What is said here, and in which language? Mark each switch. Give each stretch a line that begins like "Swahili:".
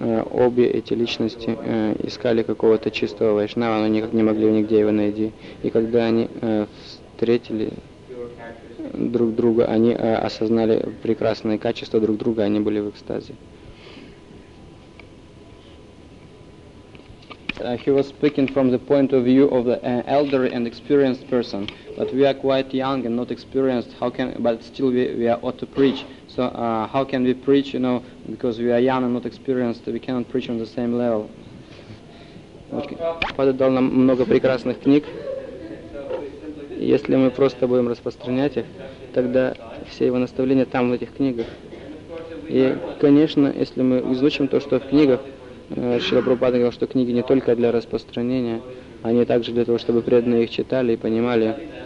Russian: Обе эти личности искали какого-то чистого вайшнава, но никак не могли нигде его найти. И когда они встретили друг друга, они осознали прекрасные качества друг друга, они были в экстазе.
English: He was speaking from the point of view of the elder and experienced person, but we are quite young and not experienced. How can, but still we are ought to preach. So how can we preach? You know, because we are young and not experienced, we cannot preach on the same level.
Russian: Пада дал нам много прекрасных книг. Если мы просто будем распространять их, тогда все его наставления там, в этих книгах. И, конечно, если мы изучим то, что в книгах, Шрила Прабхупада говорил, что книги не только для распространения, они также для того, чтобы преданные их читали и понимали.